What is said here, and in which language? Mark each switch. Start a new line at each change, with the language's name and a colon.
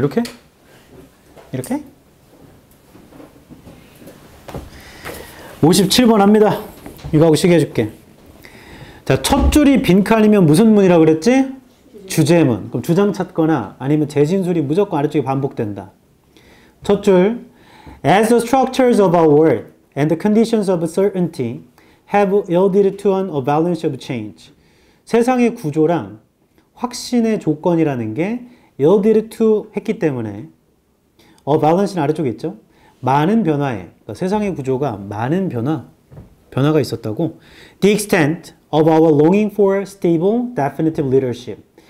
Korean: 이렇게? 이렇게? 57번 합니다. 이거 하고 시계 해줄게. 자, 첫 줄이 빈칸이면 무슨 문이라 그랬지? 주제문. 그럼 주장 찾거나 아니면 재진술이 무조건 아래쪽에 반복된다. 첫 줄.
English: As the structures of our world and the conditions of certainty have yielded to an abundance of change.
Korean: 세상의 구조랑 확신의 조건이라는 게 yielded to 했기 때문에 abundance는 아래쪽에 있죠. 많은 변화에 그러니까 세상의 구조가 많은 변화가 있었다고.
English: The extent of our longing for stable, definitive leadership.